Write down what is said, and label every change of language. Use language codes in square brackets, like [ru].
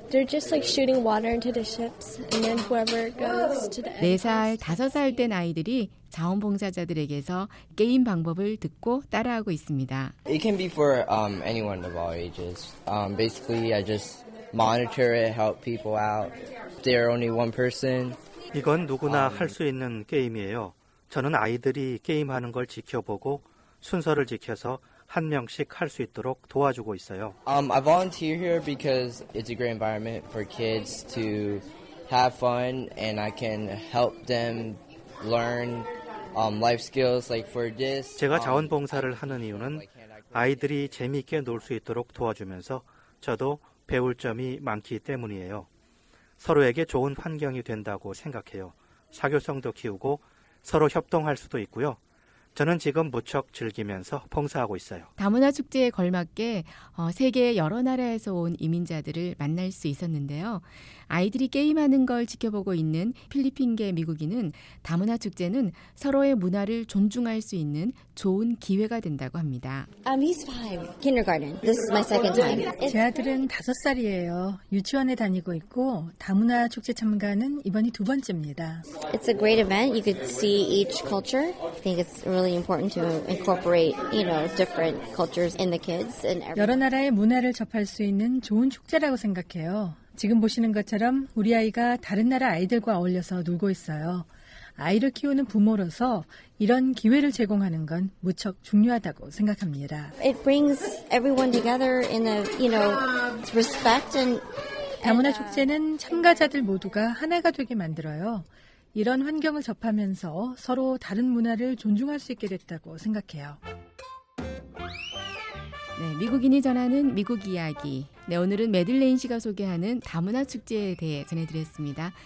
[en] They're just like shooting water into the ships, and then whoever goes to the [ko] 4살, 5살 된 아이들이 자원봉사자들에게서 게임 방법을 듣고 따라하고 있습니다. [en] It can be for anyone of all ages. Basically, I just monitor it, help people out. They're only one person. [ko] 이건 누구나 할 수 있는 게임이에요. 저는 아이들이 게임하는 걸 지켜보고 순서를 지켜서 한 명씩 할 수 있도록 도와주고 있어요. [en] I volunteer here because it's a great environment for kids to have fun and I can help them learn life skills like for this. [ko] 제가 자원봉사를 하는 이유는 아이들이 재미있게 놀 수 있도록 도와주면서 저도 배울 점이 많기 때문이에요. 서로에게 좋은 환경이 된다고 생각해요. 사교성도 키우고 서로 협동할 수도 있고요. 저는 지금 무척 즐기면서 봉사하고 있어요. 다문화 축제에 걸맞게 세계 여러 나라에서 온 이민자들을 만날 수 있었는데요. 아이들이 게임하는 걸 지켜보고 있는 필리핀계 미국인은 다문화 축제는 서로의 문화를 존중할 수 있는 좋은 기회가 된다고 합니다. [en] He's five. Kindergarten. This is my second time. [ko] 제 아들은 5살이에요. 유치원에 다니고 있고 다문화 축제 참가는 이번이 두 번째입니다. [en] It's a great event. You could see each culture. I think it's really important to incorporate, you know, different cultures in the kids and everything. [ko] 여러 나라의 문화를 접할 수 있는 좋은 축제라고 생각해요. 지금 보시는 것처럼 우리 아이가 다른 나라 아이들과 어울려서 놀고 있어요. 아이를 키우는 부모로서 이런 기회를 제공하는 건 무척 중요하다고 생각합니다. [en] It brings everyone together in a, you know, respect and [ko] 다문화 축제는 참가자들 모두가 하나가 되게 만들어요. 이런 환경을 접하면서 서로 다른 문화를 존중할 수 있게 됐다고 생각해요. 네, 미국인이 전하는 미국 이야기. 네, 오늘은 매들레인 씨가 소개하는 다문화 축제에 대해 전해드렸습니다.